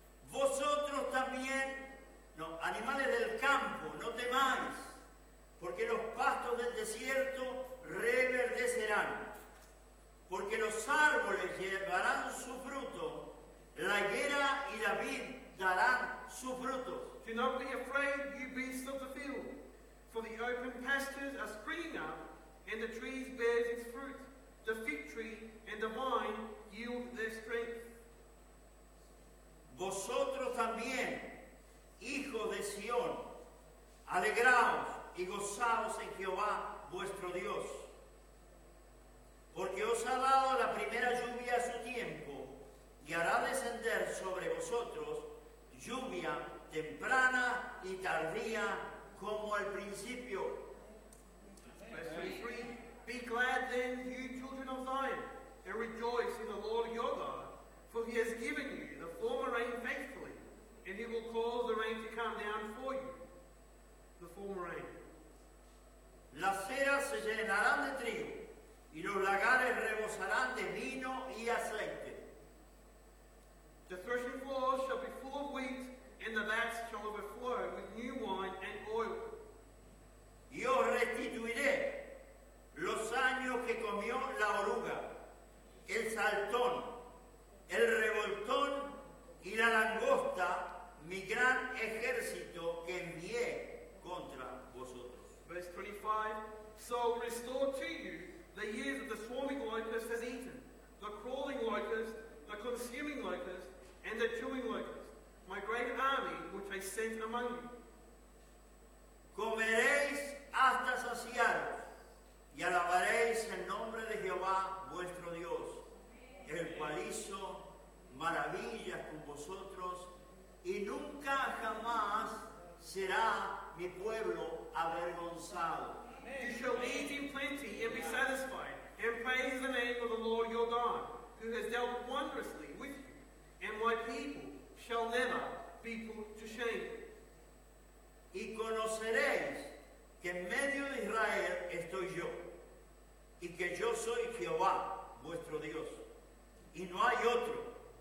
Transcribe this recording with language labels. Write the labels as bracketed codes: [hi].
[es] Vosotros también, no, animales del campo, no temáis, porque los pastos del desierto reverdecerán, porque los árboles llevarán su fruto, la higuera y la vid darán su fruto. [en] Do not be afraid, you beasts of the field, for the open pastures are springing up, and the trees bear its fruit. The fig tree and the vine yield their strength. [es] Vosotros también, hijos de Sion, alegraos y gozaos en Jehová vuestro Dios, porque os ha dado la primera lluvia a su tiempo, y hará descender sobre vosotros lluvia temprana y tardía como al principio. [en] Verse 23. Be glad then, you children of Zion, and rejoice in the Lord your God, for he has given you the former rain faithfully, and he will cause the rain to come down for you. The former rain. [es] Las eras se llenarán de trigo, y los lagares rebosarán de vino y aceite. [en] The threshing floors shall be full of wheat, and the vats shall overflow with new wine and oil. [es] Y os restituiré los años que comió la oruga, el saltón, el revoltón y la langosta, mi gran ejército que envié contra vosotros. [en] Verse 25. So restore to you the years that the swarming locust has eaten, the crawling locust, the consuming locust, and the chewing locust, my great army which I sent among you. [es] Comeréis hasta saciaros, y alabaréis el nombre de Jehová vuestro Dios, el cual hizo maravillas con vosotros, y nunca jamás será mi pueblo avergonzado. [en] You shall eat in plenty and be satisfied, and praise the name of the Lord your God, who has dealt wondrously with you, and my people shall never be put to shame. [es] Y conoceréis que en medio de Israel estoy yo, y que yo soy Jehová vuestro Dios, y no hay otro.